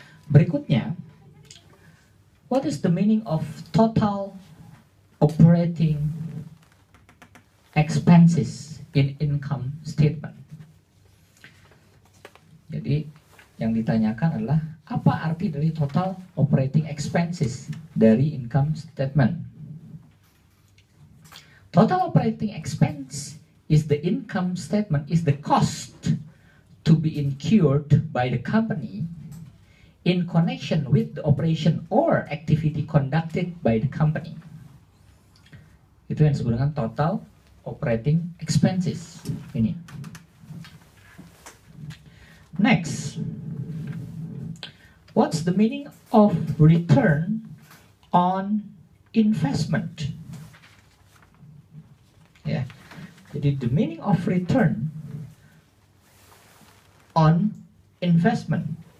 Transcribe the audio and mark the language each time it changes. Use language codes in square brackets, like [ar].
[id] Berikutnya, [en] what is the meaning of total operating expenses in income statement? [id] Jadi yang ditanyakan adalah apa arti dari total operating expenses dari income statement? [en] Total operating expense is the income statement is the cost to be incurred by the company in connection with the operation or activity conducted by the company. [id] Itu yang disebut dengan total operating expenses ini. [en] Next, what's the meaning of return on investment? Yeah, [id] jadi [en] the meaning of return on investment.